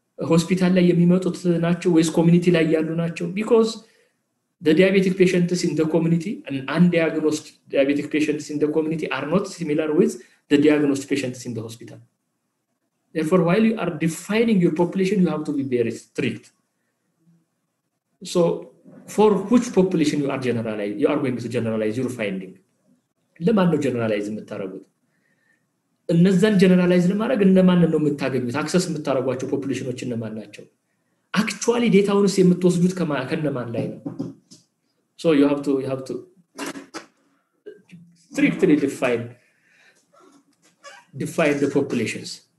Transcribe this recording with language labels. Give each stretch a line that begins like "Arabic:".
Amharic: hospital la yemimetot nacho wes community la yallu nacho
English: because the diabetic patients in the community and undiagnosed diabetic patients in the community are not similar with the diagnosed patients in the hospital. Therefore, while you are defining your population, you have to be very strict. So for which population you are generalized, you are going to generalize your finding.
Amharic: ለማን ነው ጀነራላይዝ የምታረጉት? እነዛን ጀነራላይዝ ለማድረግ እንደማን ነው የምታገኙት? አክሰስ የምታረጓቸው ፖፑሌሽኖች እንደማን ናቸው? አክቹአሊ ዴታውንስ የምትወስዱት ከማከነማን ላይ ነው?
English: So you have to strictly define the populations.